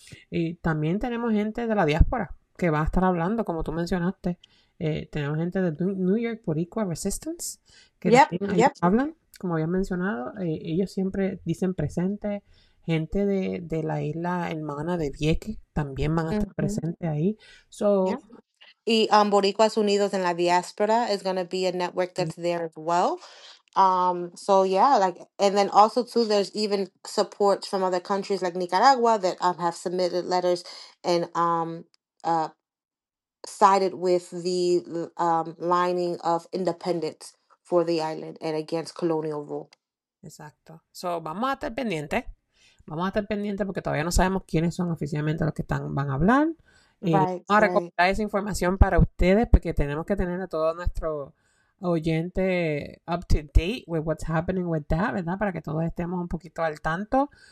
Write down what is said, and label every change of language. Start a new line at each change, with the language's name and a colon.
Spanish: Y también tenemos gente de la diáspora que va a estar hablando, como tú mencionaste. Tenemos gente de New York Boricua Resistance que hablan, como habían mencionado, ellos siempre dicen presente. Gente de la isla hermana de Vieques también van a estar presentes ahí.
English: So, yeah. Y Boricuas Unidos en la diáspora is going to be a network that's there as well. So yeah, like, and then also too, there's even support from other countries like Nicaragua that have submitted letters and sided with the lining of independence for the island and against colonial rule.
Spanish: Exacto. So vamos a estar pendientes. Vamos a estar pendientes porque todavía no sabemos quiénes son oficialmente los que están, van a hablar. Vamos a recopilar esa información para ustedes porque tenemos que tener a todo nuestro oyente
English: up to date with what's happening with that,
Spanish: ¿verdad? Para que todos estemos un poquito al tanto.